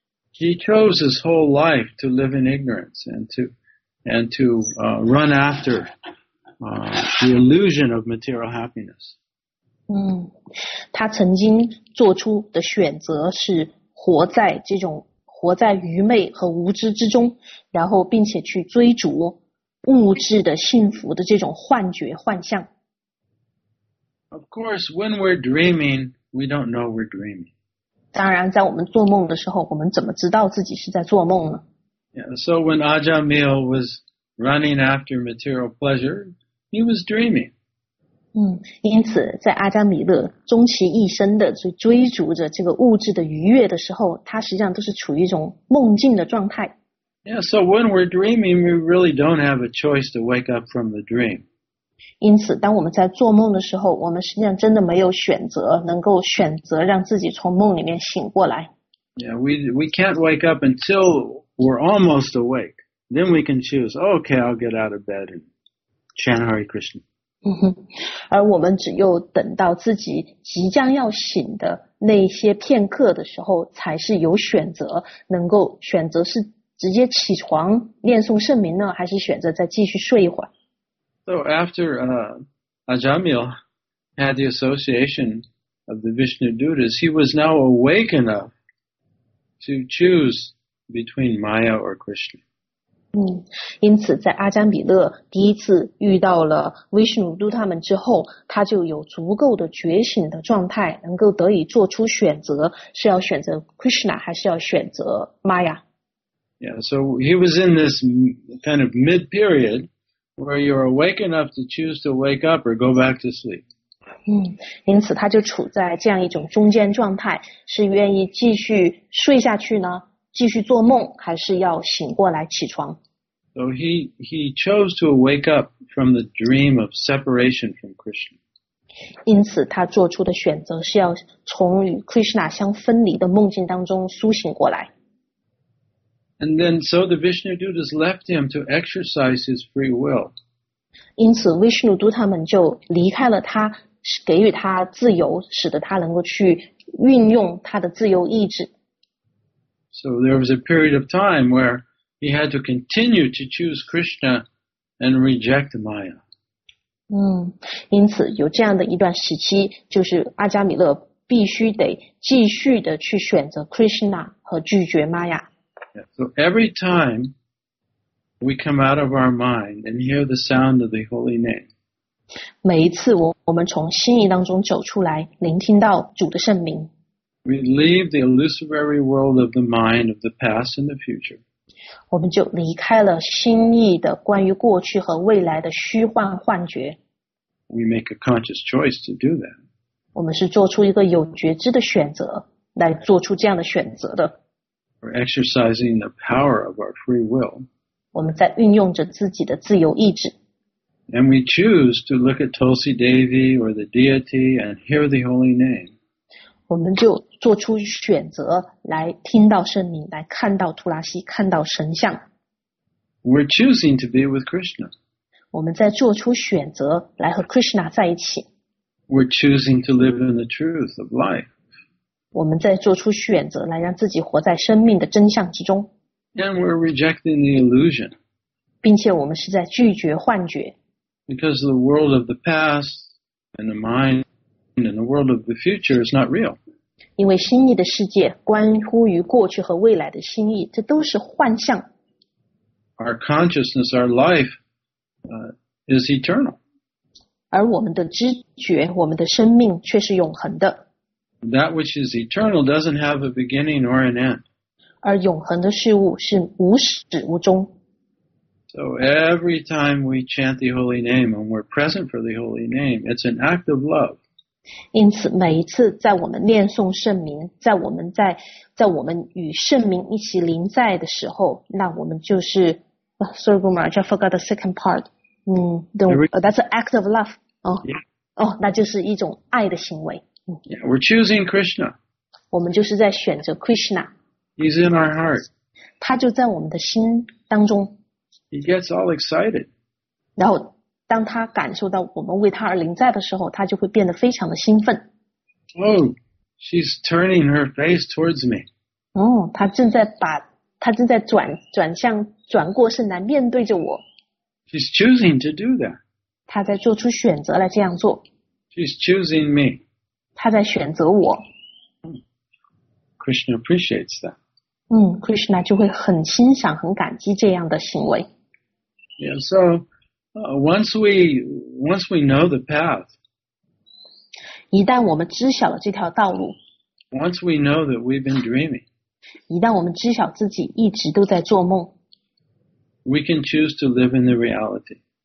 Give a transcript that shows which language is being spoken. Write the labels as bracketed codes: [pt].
[en] He chose his whole life to live in ignorance run after the illusion of material happiness. [zh] 他曾经做出的选择是活在愚昧和无知之中，然后并且去追逐物质的幸福的这种幻觉幻象。 [en] Of course, when we're dreaming, we don't know we're dreaming. [zh] 当然，在我们做梦的时候，我们怎么知道自己是在做梦呢？ [en] Yeah, so when Ajamil was running after material pleasure, he was dreaming. [zh] 因此在阿扎米勒终其一生的去追逐着这个物质的愉悦的时候，他实际上都是处于一种梦境的状态。 [en] Yeah, so when we're dreaming, we really don't have a choice to wake up from the dream. [zh] 因此当我们在做梦的时候，我们实际上真的没有选择，能够选择让自己从梦里面醒过来。 [en] Yeah, we can't wake up until we're almost awake. Then we can choose, okay, I'll get out of bed and chant Hare Krishna. [zh] 而我们只有等到自己即将要醒的那些片刻的时候，才是有选择，能够选择是直接起床念诵圣名呢，还是选择再继续睡一会儿。 [en] So after Ajamil had the association of the Vishnu Dutas, he was now awake enough to choose between Maya or Krishna. [zh] 因此在阿扎米勒第一次遇到了维什努都他们之后，他就有足够的觉醒的状态，能够得以做出选择，是要选择 Krishna 还是要选择 Maya。 [en] Yeah, so he was in this kind of mid period where you're awake enough to choose to wake up or go back to sleep. [zh] 因此他就处在这样一种中间状态，是愿意继续睡下去呢，继续做梦，还是要醒过来起床。 [en] So he chose to wake up from the dream of separation from Krishna. [zh] 因此他做出的选择是要从与 Krishna 相分离的梦境当中苏醒过来。 [en] And then so the Vishnu Dutas left him to exercise his free will. [zh] 因此 Vishnu Duta 们就离开了他，给予他自由，使得他能够去运用他的自由意志。 [en] So there was a period of time where he had to continue to choose Krishna and reject Maya. [zh] 因此有这样的一段时期，就是阿加米勒必须得继续的去选择 Krishna 和拒绝 Maya。 [en] Yeah, so every time we come out of our mind and hear the sound of the holy name, [zh] 每一次我们从心意当中走出来，聆听到主的圣名， [en] we leave the illusory world of the mind of the past and the future. [zh] 我们就离开了心意的关于过去和未来的虚幻幻觉。 [en] We make a conscious choice to do that. [zh] 我们是做出一个有觉知的选择，来做出这样的选择的。 [en] We're exercising the power of our free will. [zh] 我们在运用着自己的自由意志。 [en] And we choose to look at Tulsi Devi or the deity and hear the holy name. [zh] 我们就做出选择来听到圣名，来看到图拉西，看到神像。 [en] We're choosing to be with Krishna. [zh] 我们在做出选择来和 Krishna 在一起。 [en] We're choosing to live in the truth of life. [zh] 我们在做出选择来让自己活在生命的真相之中。 [en] And we're rejecting the illusion. [zh] 并且我们是在拒绝幻觉。 [en] Because the world of the past and the mind and the world of the future is not real. [zh] 因为心意的世界关乎于过去和未来的心意，这都是幻象。 [en] Our consciousness, our life, is eternal. [zh] 而我们的知觉，我们的生命却是永恒的。 [en] That which is eternal doesn't have a beginning or an end. [zh] 而永恒的事物是无始无终。 [en] So every time we chant the holy name and we're present for the holy name, it's an act of love. [zh] 因此每一次在我们念诵圣名，在我们与圣名一起临在的时候，那我们就是 [en] sorry, Gumar, I just forgot the second part. That's an act of love. Yeah. [zh] 那就是一种爱的行为。 [en] Yeah, we're choosing Krishna. [zh] 我们就是在选择 Krishna. [en] He's in our heart. [zh] 他就在我们的心当中。 [en] He gets all excited. [zh] 然后当他感受到我们为他而临在的时候，他就会变得非常的兴奋。 [en] Oh, she's turning her face towards me. [zh] 他正在转过身来面对着我。 [en] She's choosing to do that. [zh] 他在做出选择来这样做。 [en] She's choosing me. [zh] 他在选择我。 [en] Krishna appreciates that. [zh] Krishna 就会很欣赏、很感激这样的行为。 [en] Yeah, so once we know the path, [zh] 一旦我们知晓了这条道路 [en] ，once we know that we've been dreaming, [zh] 一旦我们知晓自己一直都在做梦 [en] ，we can choose to live in the reality.